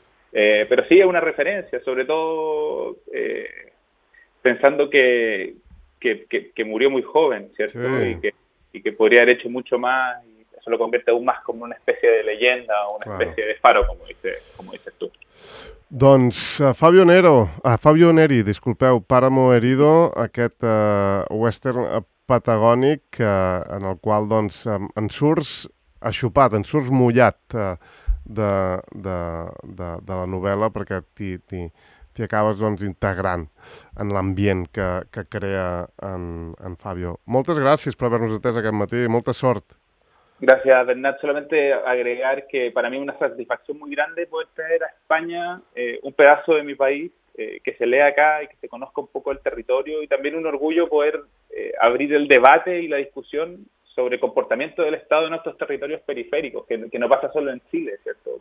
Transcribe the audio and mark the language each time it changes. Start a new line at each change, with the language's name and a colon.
Spanish: Pero sí es una referencia, sobre todo pensando que murió muy joven, ¿cierto? Sí. Y que podría haber hecho mucho más, y eso lo convierte aún más como una especie de leyenda o una especie de faro, como dices tú.
Catalan: Doncs Fabio Neri, Páramo Herido, aquest western patagònic en el qual doncs en surts aixopat, en surts mullat de la novel·la, perquè t'hi acabes doncs integrant en l'ambient que crea en Fabio. Moltes gràcies per haver-nos atès aquest matí i molta sort.
Spanish: Gracias, Bernat. Solamente agregar que para mí es una satisfacción muy grande poder traer a España un pedazo de mi país, que se lea acá y que se conozca un poco el territorio, y también un orgullo poder abrir el debate y la discusión sobre el comportamiento del Estado en nuestros territorios periféricos, que no pasa solo en Chile, ¿cierto?